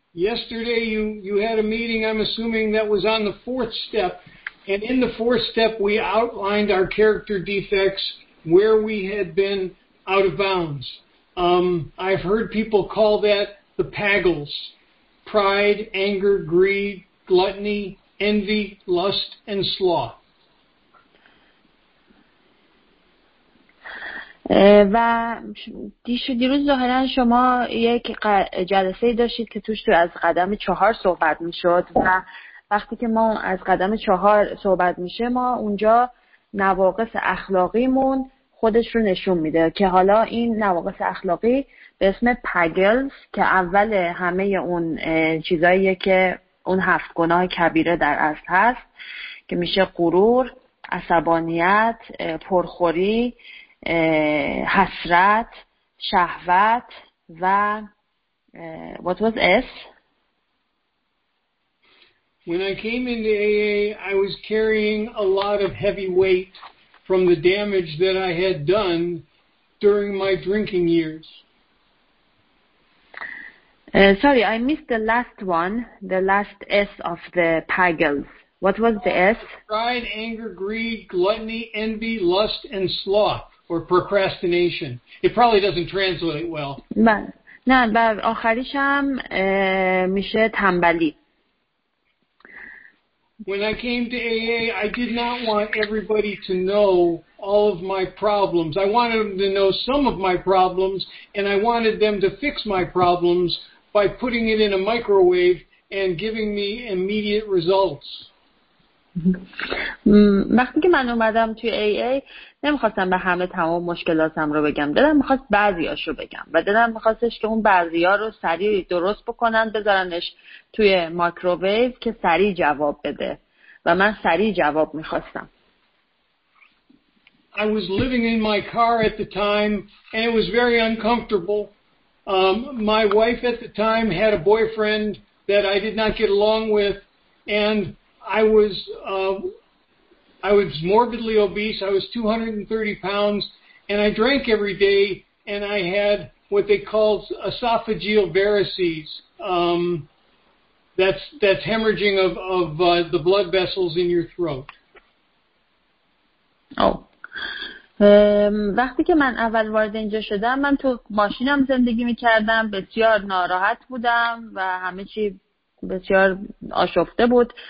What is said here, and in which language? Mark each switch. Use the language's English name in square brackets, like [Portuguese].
[English] Yesterday you had a meeting, I'm assuming that was on the fourth step, and in the fourth step we outlined our character defects, where we had been out of bounds. I've heard people call that the PAGLs: pride, anger, greed, gluttony, envy, lust, and sloth. [Persian] و دیروز ظاهرا شما یک جلسه داشتید که توش تو از قدم چهار صحبت میشد و وقتی که ما از قدم چهار صحبت میشه، ما اونجا نواقص اخلاقیمون خودش رو نشون میده که حالا این نواقص اخلاقی به اسم پگلز که اول همه اون چیزاییه که اون هفت گناه کبیره در اصل هست که میشه غرور، عصبانیت، پرخوری، حسرت، شهوت و [English] what was S? When I came into AA, I was carrying a lot of heavy weight from the damage that I had done during my drinking years. Sorry, I missed the last one, the last S of the PAGLs. What was the S? Pride, anger, greed, gluttony, envy, lust, and sloth. Or procrastination. It probably doesn't translate well. [Persian] نه، و آخریش هم میشه تنبلی. [English] When I came to AA, I did not want everybody to know all of my problems. I wanted them to know some of my problems, and I wanted them to fix my problems by putting it in a microwave and giving me immediate results. [Persian] وقتی که من اومدم توی AA، نمیخواستم به همه تمام مشکلاتم رو بگم، دلم میخواست بعضیاش رو بگم و دلم میخواستش که اون بعضیا رو سریع درست بکنن، بذارنش توی مایکروویو که سریع جواب بده و من سریع جواب میخواستم. [English] I was living in my car at the time, and it was very uncomfortable. My wife at the time had a boyfriend that I did not get along with, and I was morbidly obese. I was 230 pounds, and I drank every day, and I had what they call esophageal varices. That's hemorrhaging of the blood vessels in your throat. Oh. [Persian] وقتی که من اول وارد اینجا شدم من تو ماشینم زندگی میکردم، بسیار ناراحت بودم و همه چی بسیار آشفته بود.